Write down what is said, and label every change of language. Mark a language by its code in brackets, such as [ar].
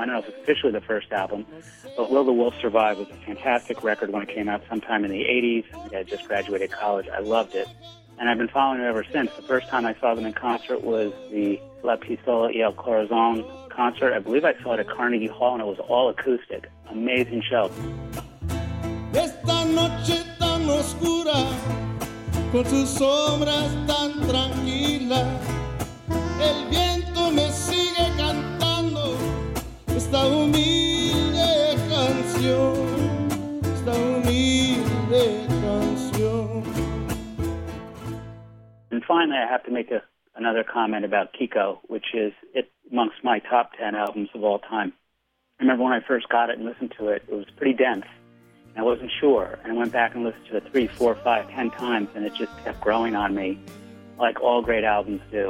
[en] I don't know if it's officially the first album, but Will the Wolf Survive was a fantastic record when it came out sometime in the 80s. I had just graduated college. I loved it. And I've been following them ever since. The first time I saw them in concert was the La Pistola y el Corazón concert. I believe I saw it at Carnegie Hall, and it was all acoustic. Amazing show. [es] Esta noche tan oscura, con sus sombras tan tranquilas, el viento me sigue cantando esta humilde canción, esta humilde canción. [en] And finally, I have to make another comment about Kiko, which is amongst my top 10 albums of all time. I remember when I first got it and listened to it, it was pretty dense. I wasn't sure, and I went back and listened to it 3, 4, 5, 10 times, and it just kept growing on me, like all great albums do.